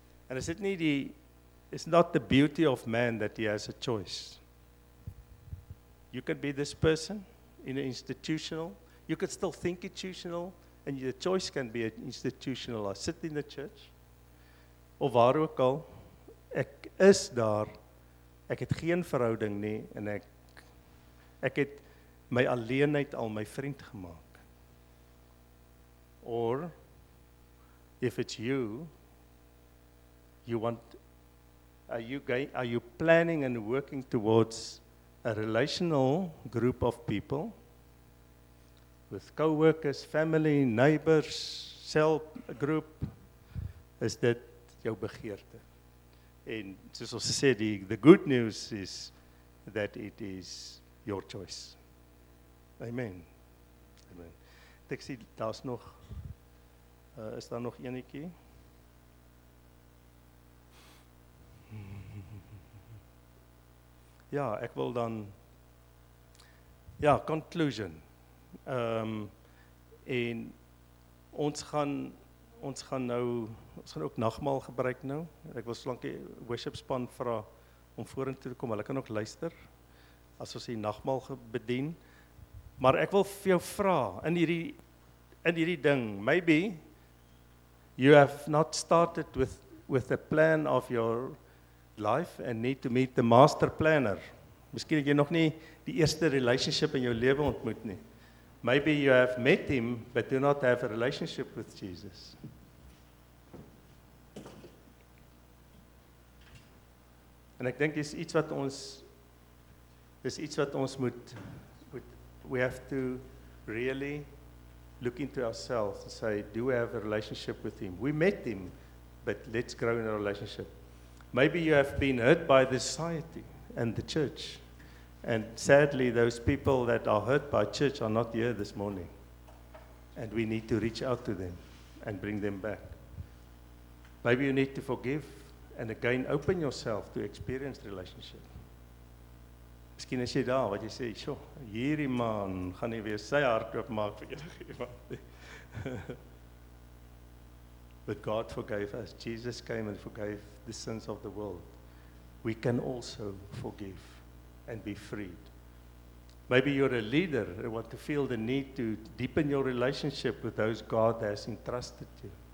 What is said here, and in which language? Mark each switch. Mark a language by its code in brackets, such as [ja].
[en] And it's not the beauty of man that he has a choice. You could be this person in an institutional. You could still think institutional, and your choice can be an institutional. I sit in the church, [af] of waar ook al, ek is daar, ek het geen verhouding nie, en ek het my alleenheid al my vriend gemaak? [en] Or if it's you, are you planning and working towards a relational group of people with co-workers, family, neighbors, cell group? Is that [af] jou begeerte? [en] And [af] soos ons sê, [en] the good news is that it is your choice. Amen. Amen. [af] Ek sê, daar's nog, is daar nog enetjie? Ja, ek wil dan, ja, conclusion. En ons gaan ook nagmaal gebruik nou. Ek wil solank die worship span vra om vorentoe te kom. Hulle kan ook luister as ons hier nagmaal bedien. Maar ek wil vir jou vra in hierdie ding, [en] maybe you have not started with a plan of your life and need to meet the master planner. [af] Miskien het jy nog nie die eerste relationship in jou lewe ontmoet nie. [en] Maybe you have met him, but do not have a relationship with Jesus. [af] En ek dink dis iets wat ons moet, [en] we have to really look into ourselves and say, do we have a relationship with him? We met him, but let's grow in a relationship. Maybe you have been hurt by the society and the church. And sadly, those people that are hurt by church are not here this morning. And we need to reach out to them and bring them back. Maybe you need to forgive and again open yourself to experienced relationship. [af] Miskien is jy daar wat jy sê, "Sjoe, hierdie man gaan nie weer sy hart oopmaak vir enigiemand." [en] But God forgave us. Jesus came and forgave the sins of the world. We can also forgive and be freed. Maybe you're a leader and want to feel the need to deepen your relationship with those God has entrusted you.